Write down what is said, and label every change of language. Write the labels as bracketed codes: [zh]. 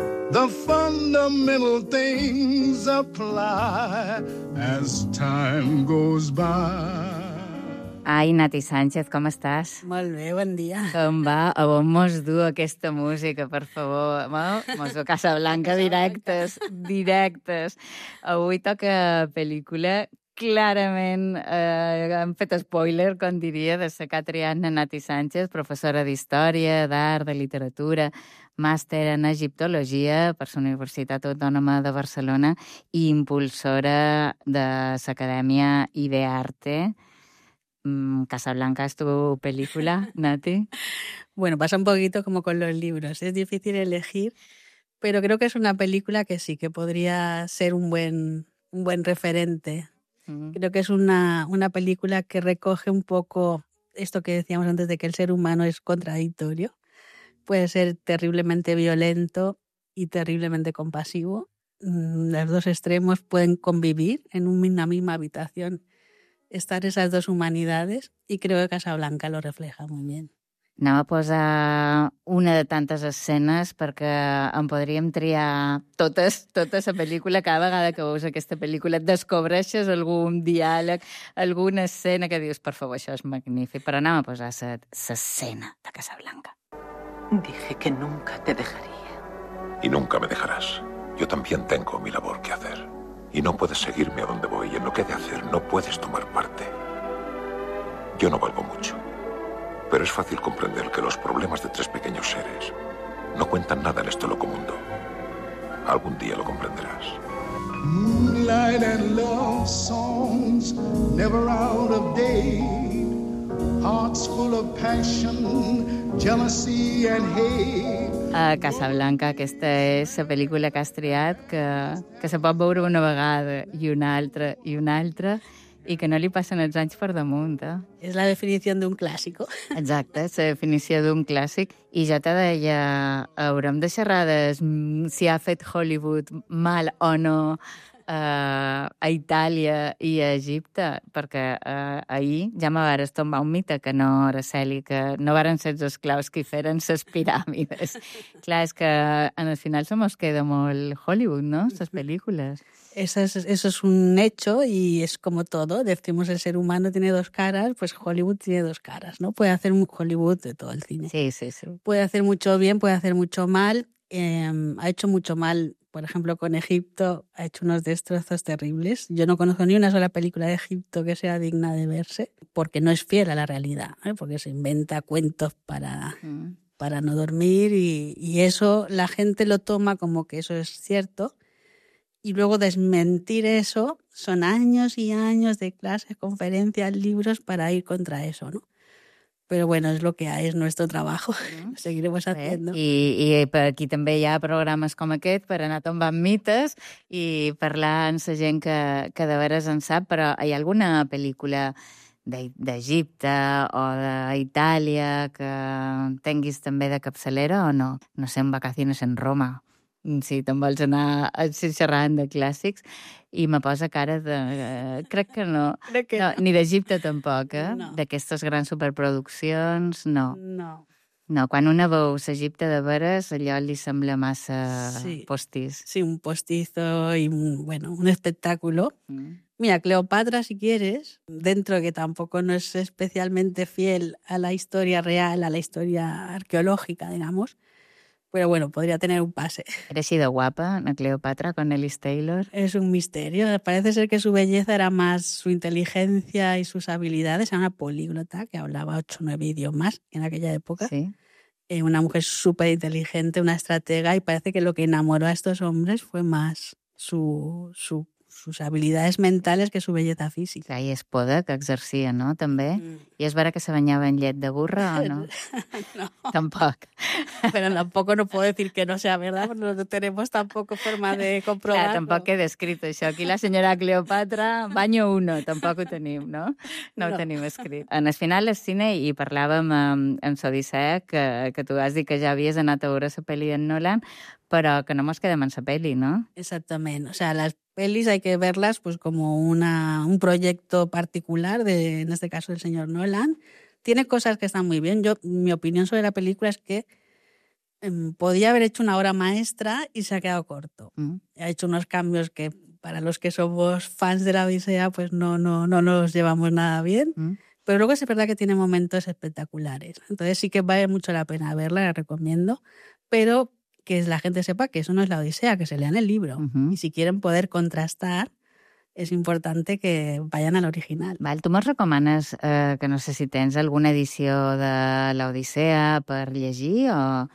[en] The fundamental things apply as time goes by. [ca] Ai, Nati Sánchez, com estàs? Molt bé, bon dia. Com va? A on mos du aquesta música, per favor? Mos du Casablanca directes, directes. Avui toca pel·lícula, clarament, hem fet spoiler, com diria, de la Catriana Nati Sánchez, professora d'Història, d'Art, de Literatura, màster en Egiptologia per la Universitat Autònoma de Barcelona i impulsora de l'Acadèmia Idearte. [es] Casablanca es tu película, Nati. Bueno, pasa un poquito como con los libros. Es difícil elegir, pero creo que es una película que sí, que podría ser un buen referente. Creo que es una película que recoge un poco esto que decíamos antes de que el ser humano es contradictorio. Puede ser terriblemente violento y terriblemente compasivo. Los dos extremos pueden convivir en una misma habitación. estar esas dos humanidades y creo que Casablanca lo refleja muy bien. [ca] Anem a posar una de tantes escenes perquè en podríem triar tota la pel·lícula. Cada vegada que veus aquesta pel·lícula et descobreixes algun diàleg, alguna escena que dius, per favor, això és magnífic. Però anem a posar l'escena de Casablanca. [es] Dije que nunca te dejaría. Y nunca me dejarás. Yo también tengo mi labor que hacer. Y no puedes seguirme a donde voy. Y en lo que he de hacer no puedes tomar parte. Yo no valgo mucho. Pero es fácil comprender que los problemas de tres pequeños seres no cuentan nada en este loco mundo. Algún día lo comprenderás. [en] Moonlight and love songs, never out of date. Hearts full of passion, jealousy and hate. [ca] A Casablanca, aquesta és la pel·lícula que has triat, que se pot veure una vegada i una altra i una altra. I que no li passen els anys per damunt, eh? És la definició d'un clàssic. Exacte, és la definició d'un clàssic. I ja te deia, haurem de xerrar de si ha fet Hollywood mal o no a Itàlia i a Egipte, perquè ahir ja me vares tombar un mite que no, Araceli, que no varen ser els esclaus qui feren les piràmides. Clar, és que en el final se mos queda molt Hollywood, no?, les pel·lícules. [es] Eso es un hecho y es como todo. Decimos, el ser humano tiene dos caras, pues Hollywood tiene dos caras, ¿no? Puede hacer un Hollywood de todo el cine. Sí, sí, sí. Puede hacer mucho bien, puede hacer mucho mal. Ha hecho mucho mal, por ejemplo, con Egipto. Ha hecho unos destrozos terribles. Yo no conozco ni una sola película de Egipto que sea digna de verse, porque no es fiel a la realidad, ¿eh? Porque se inventa cuentos para no dormir y eso la gente lo toma como que eso es cierto. Y luego desmentir eso son años y años de clases, conferencias, libros para ir contra eso, ¿no? Pero bueno, es lo que hay, es nuestro trabajo, lo seguiremos haciendo. [ca] I per aquí també hi ha programes com aquest per anar tombant mites i parlar amb la gent que de veres en sap, però hi ha alguna pel·lícula d'Egipte o d'Itàlia que tinguis també de capçalera o no? [es] No sé, en Vacaciones en Roma. [ca] Sí, te'n vols anar xerrant de clàssics i me posa cara de... Crec que no. No. Ni d'Egipte tampoc, eh? No. D'aquestes grans superproduccions, no. No. No, quan una veu l'Egipte de veres, allò li sembla massa postís. [es] Sí, un postizo i, bueno, un espectáculo. Mira, Cleopatra, si quieres, dentro que tampoco no es especialmente fiel a la historia real, a la historia arqueológica, digamos, pero bueno, podría tener un pase. ¿Eres sido guapa, no, Cleopatra, con Ellis Taylor? Es un misterio. Parece ser que su belleza era más su inteligencia y sus habilidades. Era una políglota que hablaba 8 o 9 idiomas en aquella época. Sí. Una mujer súper inteligente, una estratega, y parece que lo que enamoró a estos hombres fue más sus habilidades mentales que su belleza física. [ca] I es poda que exercia, no?, també. Mm. I és vera que se banyava en llet de burra o no? No. Tampoc. Però tampoc [es] no puedo decir que no sea verdad, no tenemos tampoco forma de comprobar. [ca] Clar, tampoc he descrit això. Aquí la senyora Cleopatra, [es] baño uno, [ca] tampoc ho tenim, no? No, no. Ho tenim escrit. En el final, el cine, i parlàvem amb l'Odissea, que tu has dit que ja havies anat a veure la pel·li en Nolan, però que no mos quedem en la pel·li, no? Exactament. [es] O sea, las pelis hay que verlas pues como un proyecto particular, en este caso del señor Nolan. Tiene cosas que están muy bien. Yo, mi opinión sobre la película es que podía haber hecho una obra maestra y se ha quedado corto. Ha hecho unos cambios que para los que somos fans de la Odisea pues no nos llevamos nada bien. Pero luego es verdad que tiene momentos espectaculares. Entonces sí que vale mucho la pena verla, la recomiendo. Pero que la gente sepa que eso no es la Odisea, que se lean el libro. Y si quieren poder contrastar, es importante que vayan al original. [ca] Val, tu mos recomanes que no sé si tens alguna edició de la Odisea per llegir o...